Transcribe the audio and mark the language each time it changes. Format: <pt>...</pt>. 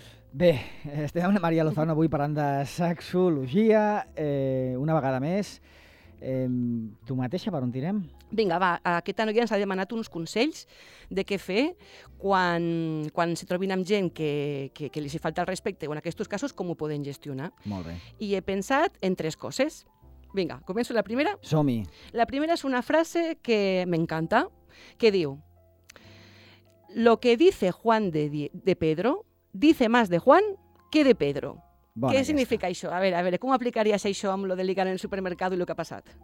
<ca>Bé, estem amb la Maria Lozano avui parlant de sexologia, una vegada més. Tu mateixa, per on tirem? Vinga, va, aquesta noia ens ha demanat uns consells de què fer quan se trobin amb gent que li falta el respecte o en aquests casos com ho poden gestionar. Molt bé. I he pensat en tres coses. Vinga, començo la primera. Som-hi. La primera és una frase que m'encanta, que diu:</ca> <es>lo que dice Juan de Pedro dice más de Juan que de Pedro.</es> <ca>Bona què aquesta. Significa això? A veure, com aplicaries això amb lo de ligar en el supermercat i el que ha passat?</ca>